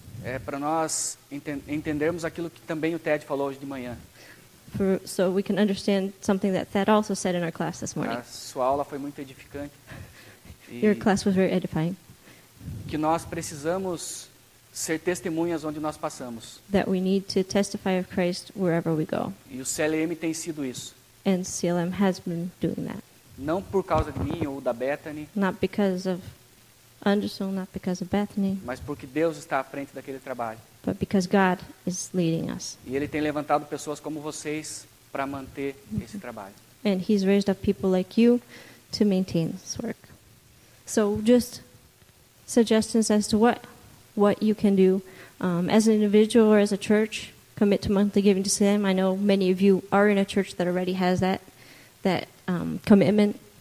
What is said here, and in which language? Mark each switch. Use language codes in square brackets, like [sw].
[pt] É para nós entendermos aquilo que também o Ted falou hoje de manhã. [en] So we can understand something that Ted also said in our class this morning. [pt] A sua aula foi muito edificante. [en] Your class was very edifying. [pt] Que nós precisamos ser testemunhas onde nós passamos. [en] That we need to testify of Christ wherever we go. [pt] E o CLM tem sido isso. [en] And CLM has been doing that. [pt] Não por causa de mim ou da Bethany. [en] Not because of Anderson, not because of Bethany. [pt] Mas porque Deus está à frente daquele trabalho. [en] But because God is leading us. [pt] E ele tem levantado pessoas como vocês para manter esse trabalho. [en] And he's raised up people like you to maintain this work. So just suggestions as to what you can do as an individual or as a church, commit to monthly giving to CLM. I know many of you are in a church that already has that commitment.